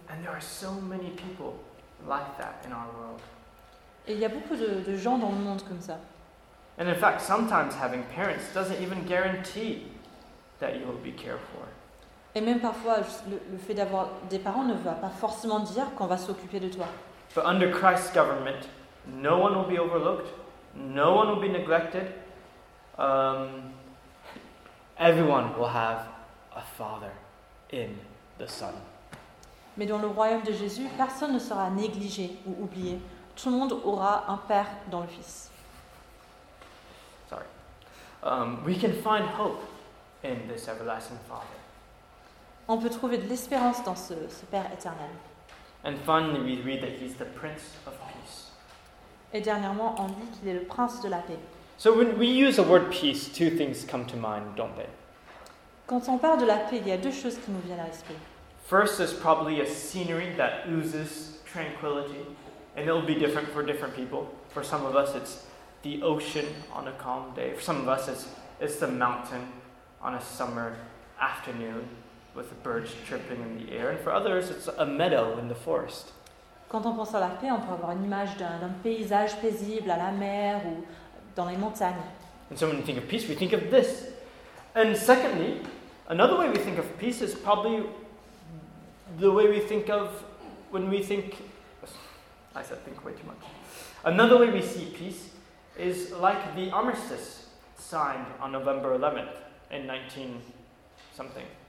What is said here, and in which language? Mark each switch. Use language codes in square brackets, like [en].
[en] And there are so many people like that in our world. [fr] Et il y a beaucoup de gens dans le monde comme ça. [en] And in fact, sometimes having parents doesn't even guarantee that you will be cared for. [fr] Et même parfois, le fait d'avoir des parents ne va pas forcément dire qu'on va s'occuper de toi. [en] But under Christ's government, no one will be overlooked, no one will be neglected. Everyone will have a father in the Son. [fr] Mais dans le royaume de Jésus, personne ne sera négligé ou oublié. Tout le monde aura un père dans le Fils. [en] Sorry. We can find hope in this everlasting Father. [fr] On peut trouver de l'espérance dans ce Père éternel. [en] And finally, we read that he's the Prince of Peace. [fr] Et dernièrement, on dit qu'il est le Prince de la Paix. [en] So when we use the word peace, two things come to mind, don't they? [fr] Quand on parle de la paix, il y a deux choses qui nous viennent à l'esprit. [en] First is probably a scenery that oozes tranquility, and it'll be different for different people. For some of us, it's the ocean on a calm day. For some of us, it's the mountain on a summer afternoon, with the birds chirping in the air, and for others, it's a meadow in the forest. [fr] Quand on pense à la paix, on peut avoir une image d'un paysage paisible à la mer ou dans les montagnes. [en] And so when we think of peace, we think of this. And secondly, another way we think of peace is probably the way we think of when we think. I said think way too much. Another way we see peace is like the armistice signed on November 11th in 19 something.